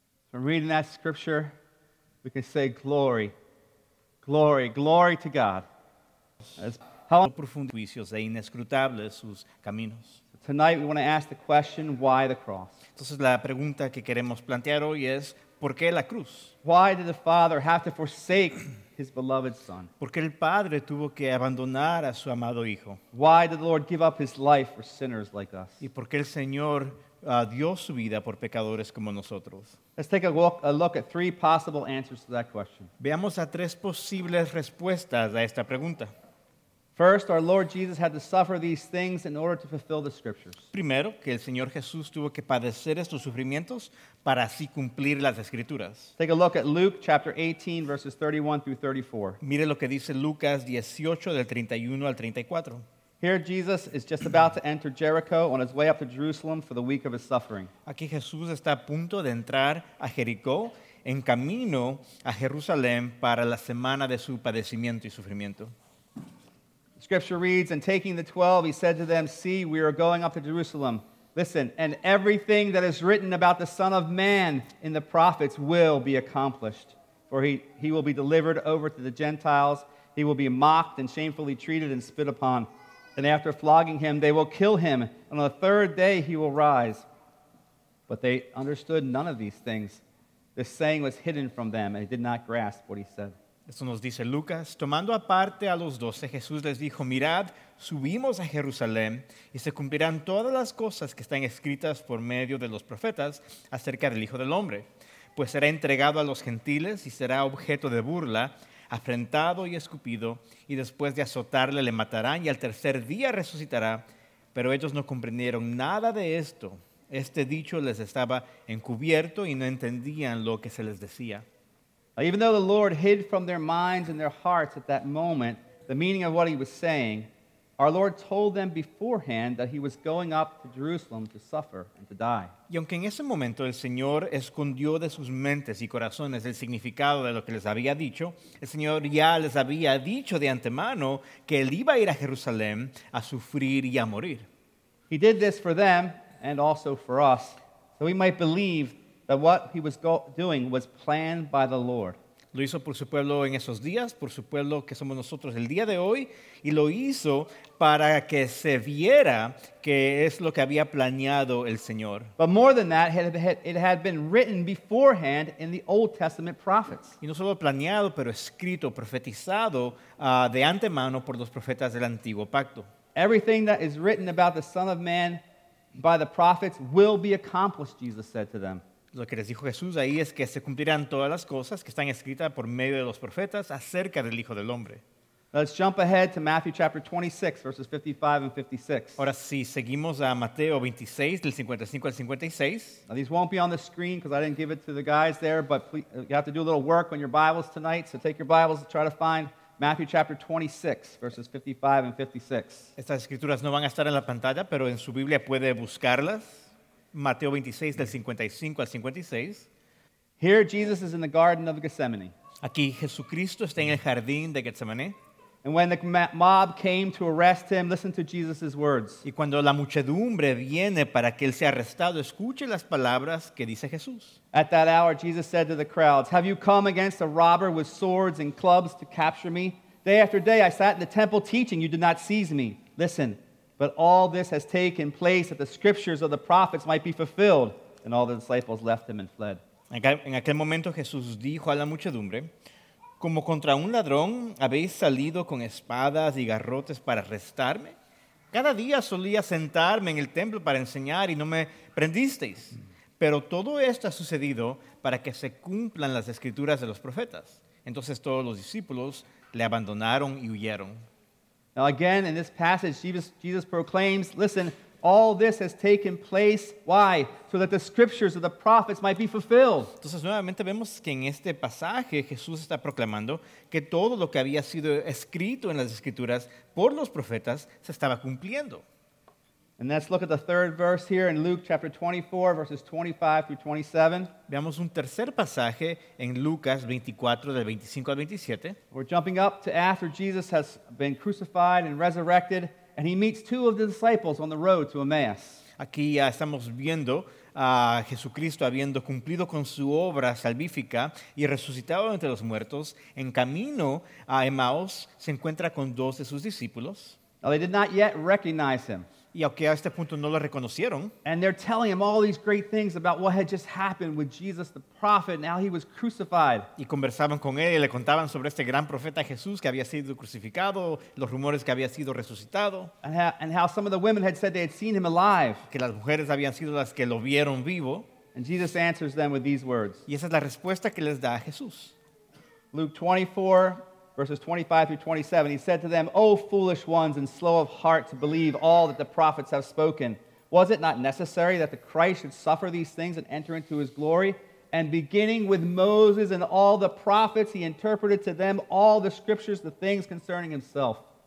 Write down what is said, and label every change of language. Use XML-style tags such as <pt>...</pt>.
<en>From reading that scripture, we can say glory, glory, glory to God.</en> <es>How profundos juicios e inescrutables sus caminos.</es> <en>Tonight we want to ask the question, why the cross?</en> <es>Entonces la pregunta que queremos plantear hoy es, ¿por qué la cruz?</es> <en>Why did the Father have to forsake his beloved Son?</en> <es>¿Por qué el Padre tuvo que abandonar a su amado Hijo?</es> <en>Why did the Lord give up his life for sinners like us?</en> <es>¿Y por qué el Señor dio su vida por pecadores como nosotros?</es> <en>Let's take a look at three possible answers to that question.</en> <es>Veamos a tres posibles respuestas a esta pregunta.</es> <en>First, our Lord Jesus had to suffer these things in order to fulfill the scriptures.</en> <es>Primero, que el Señor Jesús tuvo que padecer estos sufrimientos para así cumplir las escrituras.</es> <en>Take a look at Luke chapter 18, verses 31 through 34.</en> <es>Mire lo que dice Lucas 18, del 31 al 34.</es> <en>Here Jesus is just about to enter Jericho on his way up to Jerusalem for the week of his suffering.</en> <es>Aquí Jesús está a punto de entrar a Jericó en camino a Jerusalén para la semana de su padecimiento y sufrimiento.</es> <en>Scripture reads, and taking the 12, he said to them, see, we are going up to Jerusalem. Listen, and everything that is written about the Son of Man in the prophets will be accomplished. For he will be delivered over to the Gentiles. He will be mocked and shamefully treated and spit upon. And after flogging him, they will kill him. And on the third day, he will rise. But they understood none of these things. This saying was hidden from them, and they did not grasp what he said.</en> <es>Esto nos dice Lucas, tomando aparte a los doce, Jesús les dijo, mirad, subimos a Jerusalén y se cumplirán todas las cosas que están escritas por medio de los profetas acerca del Hijo del Hombre, pues será entregado a los gentiles y será objeto de burla, afrentado y escupido, y después de azotarle le matarán y al tercer día resucitará, pero ellos no comprendieron nada de esto, este dicho les estaba encubierto y no entendían lo que se les decía.</es> <en>Even though the Lord hid from their minds and their hearts at that moment the meaning of what he was saying, our Lord told them beforehand that he was going up to Jerusalem to suffer and to die.</en> <es>Y aunque en ese momento el Señor escondió de sus mentes y corazones el significado de lo que les había dicho, el Señor ya les había dicho de antemano que él iba a ir a Jerusalén a sufrir y a morir.</es> <en>He did this for them and also for us, so we might believe that what he was doing was planned by the Lord.</en> <es>Lo hizo por su pueblo en esos días, por su pueblo que somos nosotros el día de hoy, y lo hizo para que se viera que es lo que había planeado el Señor.</es> <en>But more than that, it had been written beforehand in the Old Testament prophets.</en> <es>Y no solo planeado, pero escrito, profetizado de antemano por los profetas del Antiguo Pacto.</es> <en>Everything that is written about the Son of Man by the prophets will be accomplished, Jesus said to them.</en> <es>Lo que les dijo Jesús ahí es que se cumplirán todas las cosas que están escritas por medio de los profetas acerca del Hijo del Hombre.</es> <en>Let's jump ahead to Matthew chapter 26, verses 55 and 56.</en> <es>Ahora sí, seguimos a Mateo 26, del 55 al 56.</es> <en>Now these won't be on the screen because I didn't give it to the guys there, but please, you have to do a little work on your Bibles tonight, so take your Bibles and try to find Matthew chapter 26, verses 55 and 56.</en> <es>Estas escrituras no van a estar en la pantalla, pero en su Biblia puede buscarlas. Mateo 26, del 55 al 56.</es> <en>Here Jesus is in the Garden of Gethsemane.</en> <es>Aquí Jesucristo está en el jardín de Getsemaní.</es> <en>And when the mob came to arrest him, listen to Jesus' words.</en> <es>Y cuando la muchedumbre viene para que él sea arrestado, escuche las palabras que dice Jesús.</es> <en>At that hour, Jesus said to the crowds, have you come against a robber with swords and clubs to capture me? Day after day, I sat in the temple teaching. You did not seize me. Listen. But all this has taken place that the scriptures of the prophets might be fulfilled. And all the disciples left him and fled.</en> <es>En aquel momento Jesús dijo a la muchedumbre, como contra un ladrón habéis salido con espadas y garrotes para arrestarme. Cada día solía sentarme en el templo para enseñar y no me prendisteis. Pero todo esto ha sucedido para que se cumplan las escrituras de los profetas. Entonces todos los discípulos le abandonaron y huyeron.</es> <en>Now again, in this passage, Jesus proclaims, listen, all this has taken place, why? So that the scriptures of the prophets might be fulfilled.</en> <es>Entonces nuevamente vemos que en este pasaje Jesús está proclamando que todo lo que había sido escrito en las escrituras por los profetas se estaba cumpliendo.</es> <en>And let's look at the third verse here in Luke chapter 24, verses 25 through 27.</en> <es>Veamos un tercer pasaje en Lucas 24, del 25 al 27.</es> <en>We're jumping up to after Jesus has been crucified and resurrected, and he meets two of the disciples on the road to Emmaus.</en> <es>Aquí ya estamos viendo a Jesucristo habiendo cumplido con su obra salvífica y resucitado entre los muertos. En camino a Emmaus se encuentra con dos de sus discípulos.</es> <en>Now they did not yet recognize him.</en> <es>Y aunque a este punto no lo reconocieron.</es> <en>And they're telling him all these great things about what had just happened with Jesus the prophet, now he was crucified.</en> <es>Y conversaban con él y le contaban sobre este gran profeta Jesús que había sido crucificado, los rumores que había sido resucitado.</es> <en>And how some of the women had said they had seen him alive.</en> <es>Que las mujeres habían sido las que lo vieron vivo.</es> <en>And Jesus answers them with these words.</en> <es>Y esa es la respuesta que les da a Jesús.</es> <en>Luke 24, verses 25 through 27, he said to them, O foolish ones and slow of heart to believe all that the prophets have spoken. Was it not necessary that the Christ should suffer these things and enter into his glory? And beginning with Moses and all the prophets, he interpreted to them all the scriptures, the things concerning himself.</en>